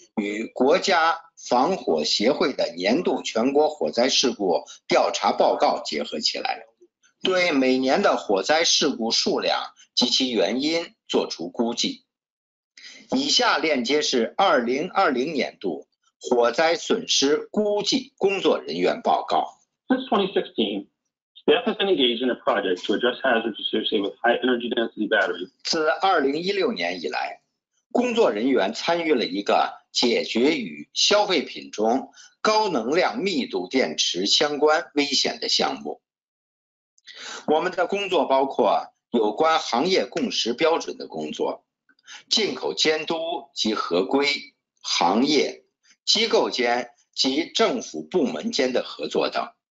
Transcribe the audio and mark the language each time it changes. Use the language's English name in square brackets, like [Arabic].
[Chinese] 与国家防火协会的年度全国火灾事故调查报告结合起来，对每年的火灾事故数量及其原因作出估计。以下链接是2020年度火灾损失估计工作人员报告。 [English] Since 2016, staff has been engaged in a project to address hazards associated with high energy density batteries. [Chinese] 自2016年以来，工作人员参与了一个解决与消费品中高能量密度电池相关危险的项目。我们的工作包括有关行业共识标准的工作、进口监督及合规、行业、机构间及政府部门间的合作等。